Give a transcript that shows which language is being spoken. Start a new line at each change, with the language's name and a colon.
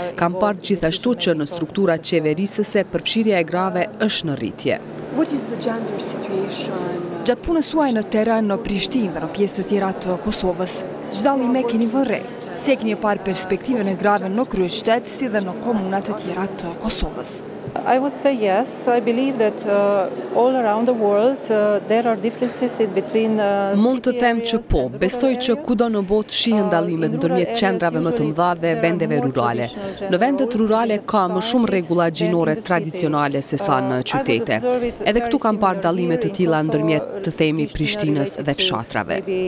Albanian: Kam parë gjithashtu që në strukturat qeverisëse përfshirja e grave është në rritje. Gjatë punës suaj në teren në Prishtinë dhe në pjesë të tjera të Kosovës, gjithdalli me keni vërre, se keni parë perspektive në grave në kryeqytetë si dhe në komunat të tjera të Kosovës.
English: I would say yes. I believe that all around the world there are differences between
Albanian: Mund të them që po. Besoj që kudo në botë shihen dallimet ndërmjet qendrave më të mëdha dhe vendeve rurale. Në vendet rurale ka më shumë rregulla gjinore tradicionale se sa në qytete. Edhe këtu kam parë dallime të tilla ndërmjet të themi Prishtinës dhe fshatrave.